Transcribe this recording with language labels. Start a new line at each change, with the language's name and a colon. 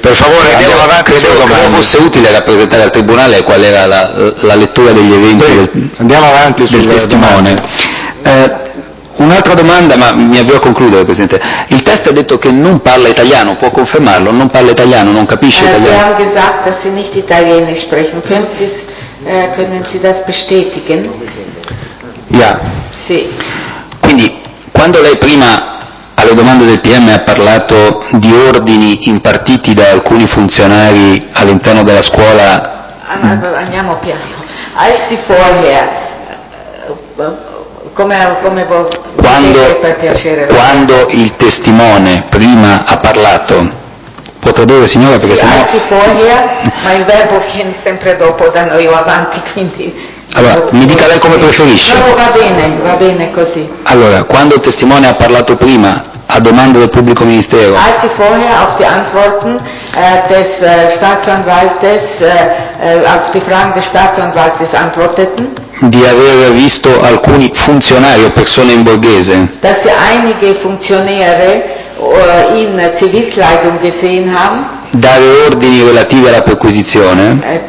Italian: Per favore, andiamo avanti. Credo fosse utile rappresentare al tribunale qual era la lettura degli eventi. Beh, andiamo avanti sul testimone. Un'altra domanda, ma mi avvio a concludere, Presidente. Il test ha detto che non parla italiano, può confermarlo? Non parla italiano, non capisce italiano?
German: Sie haben gesagt, dass Sie nicht Italienisch sprechen. Können Sie das bestätigen? Ja.
Italian: Sì. Quindi, quando lei prima alle domande del PM ha parlato di ordini impartiti da alcuni funzionari all'interno della scuola... Andiamo piano.
German: Als Sie vorher...
Italian: Come quando, per piacere, quando il testimone prima ha parlato, può tradurre, signora, perché sì, sennò... si foglia, ma il verbo viene sempre dopo, da noi avanti, quindi... Allora, mi dica lei come preferisce. No, va bene così. Allora, quando il testimone ha parlato prima, a domanda del pubblico ministero...
German: Als sie vorher auf die Antworten des Staatsanwaltes, auf die Fragen des Staatsanwaltes antworteten...
Italian: Di aver visto alcuni funzionari o persone in borghese...
German: Dass sie einige Funktionäre in Zivilkleidung gesehen haben...
Italian: Dare ordini relativi alla perquisizione.